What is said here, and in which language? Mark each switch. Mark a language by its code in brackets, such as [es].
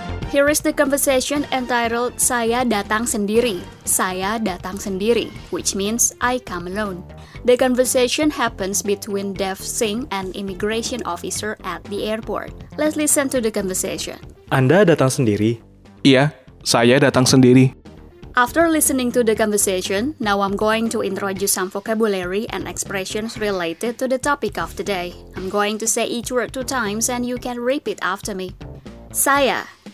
[en] Here is the conversation entitled [id] Saya Datang Sendiri, Saya Datang Sendiri, [en] which means I come alone. The conversation happens between Dev Singh and immigration officer at the airport. Let's listen to the conversation. [id] Anda datang sendiri? Iya, saya datang sendiri. [en] After listening to the conversation, now I'm going to introduce some vocabulary and expressions related to the topic of today. I'm going to say each word 2 times and you can repeat after me. Saya.